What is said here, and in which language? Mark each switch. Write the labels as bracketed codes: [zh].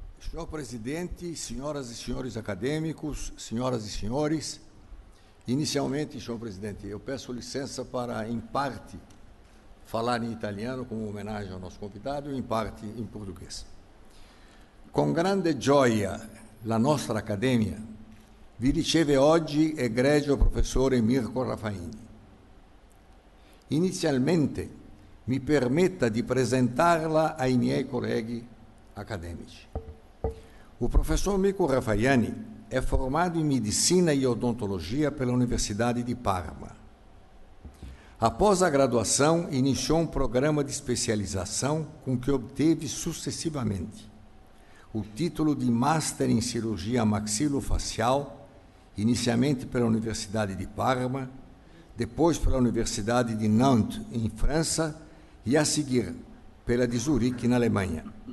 [pt] Senhor presidente, senhoras e senhores acadêmicos, senhoras e senhores, inicialmente, senhor presidente, eu peço licença para, em parte, falar em italiano como homenagem ao nosso convidado e, em parte, em português. [it] Con grande gioia la nostra Accademia vi riceve oggi egregio professore Mirko Raffaini. inizialmente mi permetta di presentarla ai miei colleghi accademici. Il professor Mico Raffaiani è formato in medicina e odontologia [pt] pela Universidade [it] di Parma. [pt] Após a graduação, iniciou programa de especialização com que obteve sucessivamente o título de Master em Cirurgia Maxilofacial, inicialmente pela Universidade de Parma, depois pela Universidade de Nantes, em França, e a seguir pela de Zurique, na Alemanha.